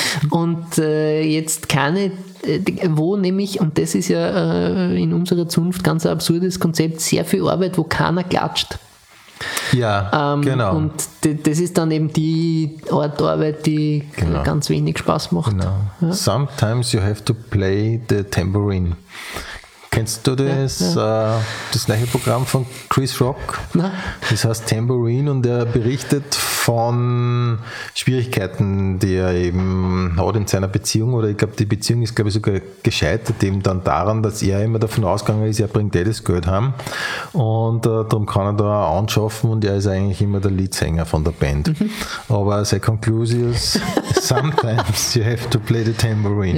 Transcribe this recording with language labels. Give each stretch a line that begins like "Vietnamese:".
German: Und jetzt keine, wo nämlich, und das ist ja in unserer Zunft ganz ein absurdes Konzept, sehr viel Arbeit, wo keiner klatscht. Ja, genau. Und das ist dann eben die Art Arbeit, die ganz wenig Spaß macht. Genau. Ja?
English: Sometimes you have to play the tambourine.
German: Kennst du das? Ja. Das gleiche Programm von Chris Rock? Na? Das heißt Tambourine und er berichtet von Schwierigkeiten, die er eben hat in seiner Beziehung. Oder ich glaube, die Beziehung ist, glaube ich, sogar gescheitert eben dann daran, dass er immer davon ausgegangen ist, er bringt das Geld heim. Und darum kann er da auch anschaffen und er ist eigentlich immer der Leadsänger von der Band. Mhm. Aber sein Conclusion ist,
English: sometimes you have to play the tambourine.